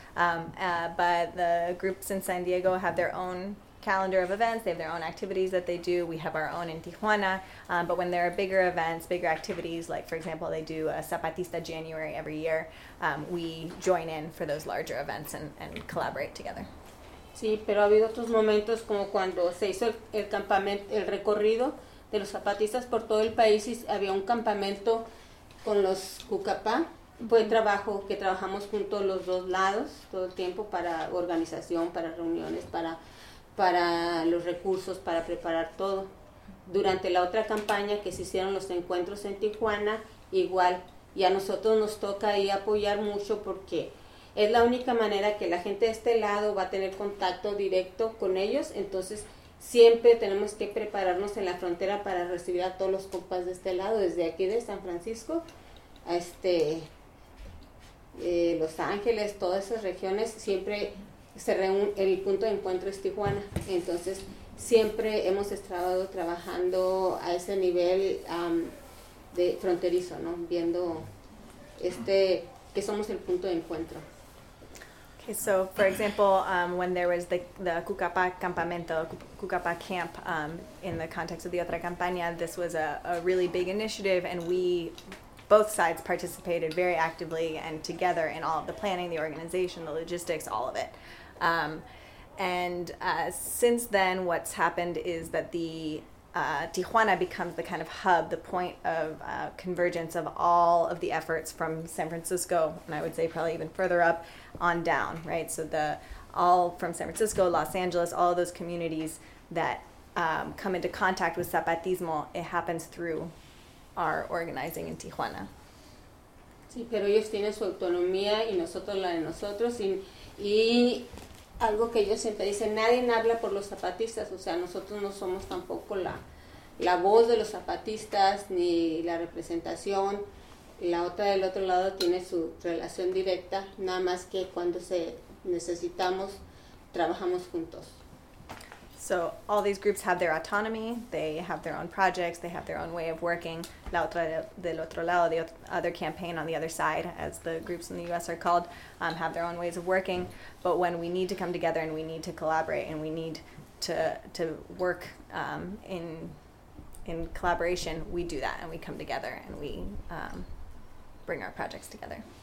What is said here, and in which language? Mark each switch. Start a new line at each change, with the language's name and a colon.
English: But the groups in San Diego have their own calendar of events, they have their own activities that they do, we have our own in Tijuana, but when there are bigger events, bigger activities, like for example they do a Zapatista January every year, we join in for those larger events and collaborate together.
Spanish: Sí, pero ha habido otros momentos como cuando se hizo el campamento, el recorrido de los zapatistas por todo el país y había un campamento con los Cucapá, buen trabajo que trabajamos juntos los dos lados todo el tiempo para organización, para reuniones, para los recursos, para preparar todo. Durante la otra campaña que se hicieron los encuentros en Tijuana, igual, y a nosotros nos toca ahí apoyar mucho porque es la única manera que la gente de este lado va a tener contacto directo con ellos, entonces siempre tenemos que prepararnos en la frontera para recibir a todos los compas de este lado, desde aquí de San Francisco, a Los Ángeles, todas esas regiones, siempre el punto de encuentro es Tijuana, entonces siempre hemos estado trabajando a ese nivel de fronterizo, ¿no? Viendo que somos el punto de encuentro. Ok,
English: Okay, so for example, when there was the Cucapa campamento, Cucapa camp, in the context of the Otra Campaña, this was a really big initiative, and we, both sides, participated very actively and together in all of the planning, the organization, the logistics, all of it. Since then, what's happened is that the Tijuana becomes the kind of hub, the point of convergence of all of the efforts from San Francisco, and I would say probably even further up, on down, right? So the all from San Francisco, Los Angeles, all of those communities that come into contact with Zapatismo, it happens through our organizing in Tijuana.
Spanish: Sí, pero ellos tienen su autonomía y nosotros la de nosotros, y algo que ellos siempre dicen, nadie habla por los zapatistas, o sea, nosotros no somos tampoco la voz de los zapatistas ni la representación. La otra del otro lado tiene su relación directa, nada más que cuando se necesitamos, trabajamos juntos.
English: So all these groups have their autonomy, they have their own projects, they have their own way of working.
Spanish: La otra del otro lado,
English: the other campaign on the other side, as the groups in the U.S. are called, have their own ways of working. But when we need to come together and we need to collaborate and we need to work in collaboration, we do that and we come together and we bring our projects together.